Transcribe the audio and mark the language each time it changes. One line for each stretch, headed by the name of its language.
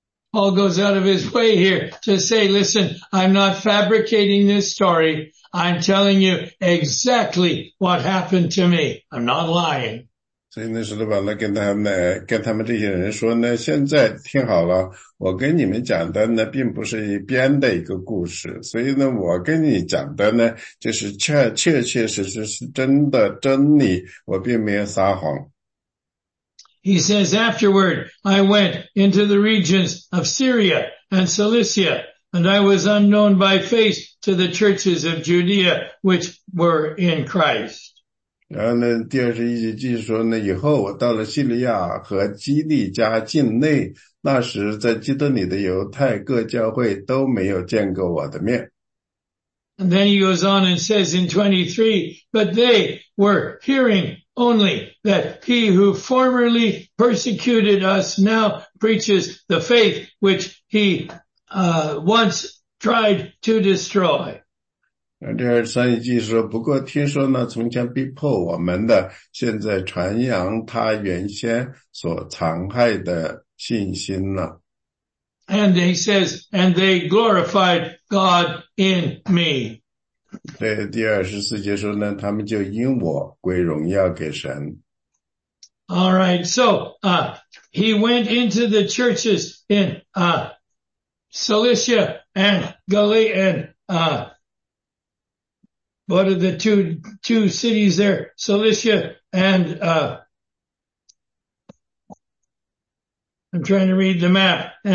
English: Paul goes out of his way here to say, listen, I'm not fabricating this story. I'm telling you exactly what happened to me. I'm not lying.
Chinese: 所以那时候呢，跟他们这些人说呢，现在听好了，我跟你们讲的呢，并不是编的一个故事。所以呢，我跟你讲的呢，就是确确实实是真的真理，我并没有撒谎。
English: He says, afterward, I went into the regions of Syria and Cilicia. And I was unknown by face to the churches of Judea, which were in Christ.
Chinese: 然后呢，第二十一节继续说呢，以后我到了叙利亚和基利加境内，那时在基督里的犹太各教会都没有见过我的面。
English: And then he goes on and says in 23, but they were hearing only that he who formerly persecuted us now preaches the faith which he once tried to destroy.
Chinese: 第二十三节说, 不过听说呢, 从前逼迫我们的, 现在传扬他原先所残害的信心呢。
English: And he says, and they glorified God in me.
Chinese: 对,第二十四节说呢, 他们就因我归荣耀给神。
English: All right, so, he went into the churches in, Cilicia and Galatia and, what are the two cities there? Cilicia and, I'm trying to read the map.